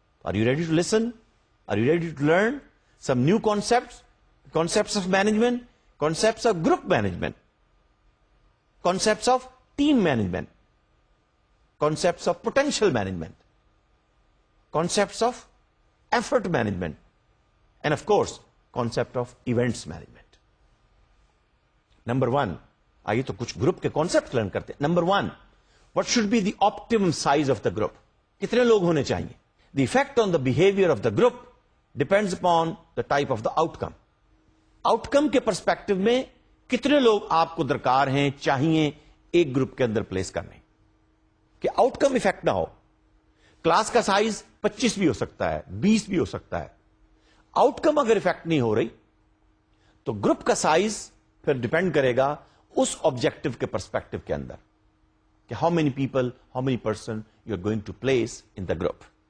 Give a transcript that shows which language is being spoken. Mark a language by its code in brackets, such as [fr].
[en] Are you ready to listen? Are you ready to learn some new concepts, concepts of management, concepts of group management, concepts of team management, concepts of potential management, concepts of effort management, and of course concept of events management. [ur] Number one, آئیے تو کچھ group کے concept learn کرتے ہیں. [en] number one, what should be the optimum size of the group, [ur] کتنے لوگ ہونے چاہیے. [en] The effect on the behaviour of the group depends upon the type of the outcome. [ur] Out کم کے perspective میں کتنے لوگ آپ کو درکار ہیں، چاہیے ایک گروپ کے اندر پلیس کرنے، کہ آؤٹ کم افیکٹ نہ ہو. کلاس کا سائز 25 بھی ہو سکتا ہے، 20 بھی ہو سکتا ہے. [en] outcome [ur] اگر افیکٹ نہیں ہو رہی تو گروپ کا سائز پھر ڈیپینڈ کرے گا اس آبجیکٹو کے پرسپیکٹو کے اندر، [en] کہ how many people, how many person you are going to place in the group.